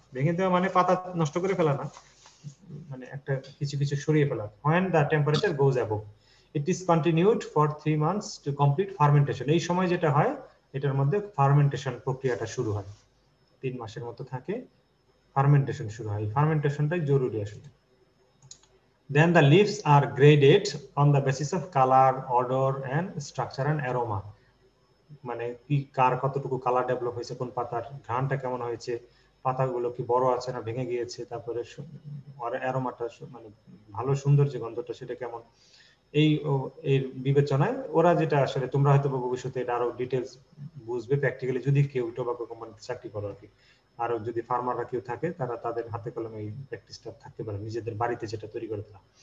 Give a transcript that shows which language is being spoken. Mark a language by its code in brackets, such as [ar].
[bn] ভেঙে দেওয়া মানে পাতা নষ্ট করে ফেলা না, মানে একটা কিছু কিছু সরিয়ে ফেলা। [en] When the temperature goes above it is continued for 3 months to complete fermentation. [bn] এই সময় যেটা হয় এটার মধ্যে ফার্মেন্টেশন প্রক্রিয়াটা শুরু হয়, 3 মাসের মতো থাকে ফার্মেন্টেশন শুরু হয়। ফার্মেন্টেশনটাই জরুরি আসলে। [en] Then the leaves are graded on the basis of color, odor and structure and aroma. [bn] মানে কি কার কতটুকু কালার ডেভেলপ হয়েছে, কোন পাতার ঘ্রাণটা কেমন হয়েছে, পাতাগুলো কি বড় আছে না ভেঙে গিয়েছে, তারপরে অ্যারোমাটা মানে ভালো সুন্দর যে গন্ধটা সেটা কেমন, এই এর বিবেচনায় ওরা যেটা আসলে, তোমরা হয়তো ভবিষ্যতে এটা আরো ডিটেলস বুঝবে প্র্যাকটিক্যালি যদি কেউ টোবাকো কোম্পানিতে চাকরি করো আর কি, আরো যদি ফার্মাররা কেউ থাকে তারা তাদের হাতে কলমে এই প্র্যাকটিসটা থাকতে পারে নিজেদের বাড়িতে যেটা তৈরি করে তারা।